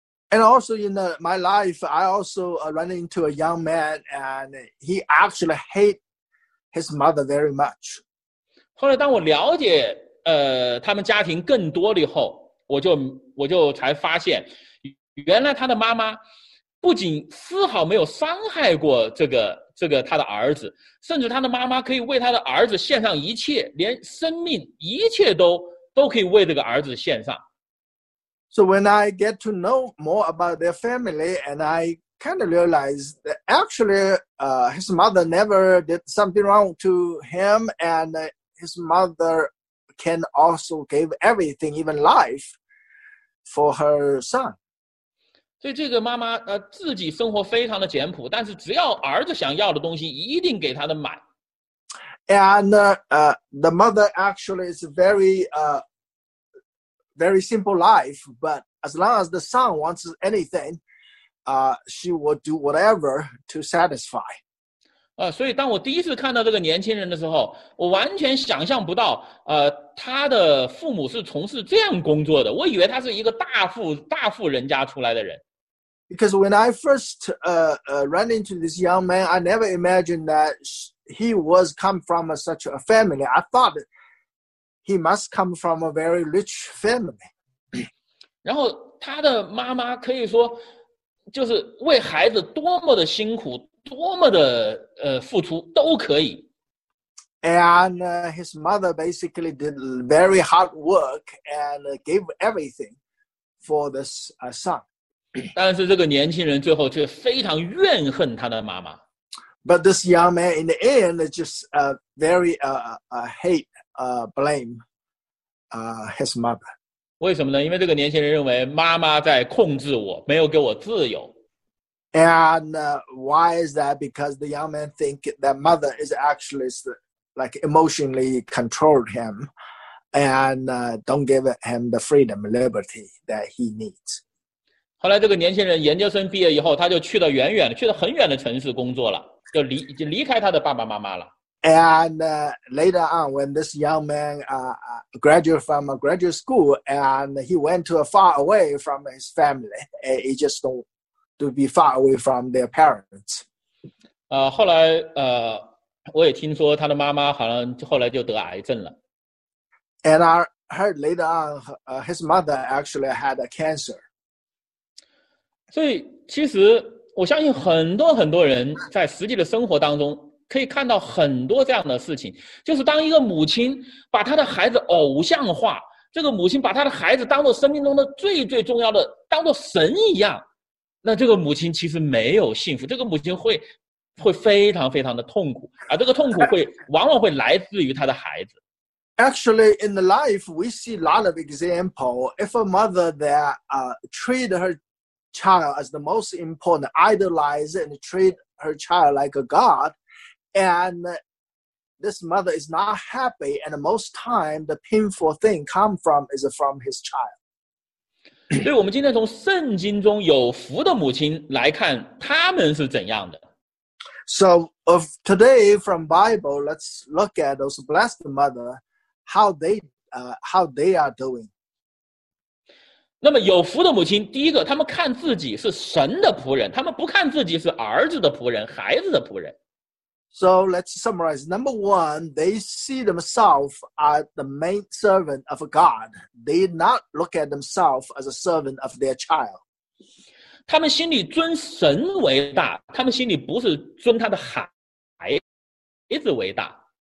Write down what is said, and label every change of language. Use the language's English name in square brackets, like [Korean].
[English] And also in my life, I also run into a young man, and he actually hate his mother very much. [Chinese] 后来当我了解他们家庭更多了以后，我就才发现，原来他的妈妈不仅丝毫没有伤害过这个他的儿子，甚至他的妈妈可以为他的儿子献上一切，连生命一切都可以为这个儿子献上。 [English] So when I get to know more about their family, and I kind of realize that actually, his mother never did something wrong to him, and his mother can also give everything, even life, for her son. [Chinese] 所以这个妈妈自己生活非常的简朴，但是只要儿子想要的东西一定给他的买。 [English] And the mother actually is very very simple life, but as long as the son wants anything, she will do whatever to satisfy. [Chinese] 所以当我第一次看到这个年轻人的时候，我完全想象不到他的父母是从事这样工作的，我以为他是一个大富人家出来的人。 [English] Because when I first ran into this young man, I never imagined that he was come from such a family. I thought he must come from a very rich family. [Chinese] 然后他的妈妈可以说就是为孩子多么的辛苦，多么的付出都可以。 [English] And his mother basically did very hard work and gave everything for this son. [Chinese] 但是这个年轻人最后却非常怨恨他的妈妈。 [English] But this young man in the end just very hate blame his mother. [Chinese] 为什么呢？因为这个年轻人认为妈妈在控制我，没有给我自由。 [English] And why is that? Because the young man think that mother is actually like emotionally controlled him and don't give him the freedom, liberty that he needs. [Chinese] 后来这个年轻人研究生毕业以后，他就去了远远的，去了很远的城市工作了，就离开他的爸爸妈妈了。 [English] And later on, when this young man graduated from a graduate school, and he went to a far away from his family, he just don't to be far away from their parents. [Chinese] 后来我也听说他的妈妈好像后来就得癌症了。 [English] And I heard later on, his mother actually had a cancer. [Chinese] 所以其实我相信很多很多人在实际的生活当中可以看到很多这样的事情，就是当一个母亲把她的孩子偶像化，这个母亲把她的孩子当作生命中的最最重要的，当作神一样，那这个母亲其实没有幸福，这个母亲会非常非常的痛苦，而这个痛苦会往往会来自于她的孩子。 [English] Actually, in the life, we see a lot of example. If a mother that treat herchild as the most important, idolize and treat her child like a god, and this mother is not happy, and most time the painful thing come from is from his child. [Chinese] 对，我们今天从圣经中有福的母亲来看他们是怎样的。 [English] So of today from Bible, let's look at those blessed mother, how they are doing. [Chinese] 那么有福的母亲，第一个，他们看自己是神的仆人，他们不看自己是儿子的仆人，孩子的仆人。 [English] So let's summarize. Number one, they see themselves as the main servant of God. They not look at themselves as a servant of their child. [Chinese] 他们心里尊神为大，他们心里不是尊他的孩子为大。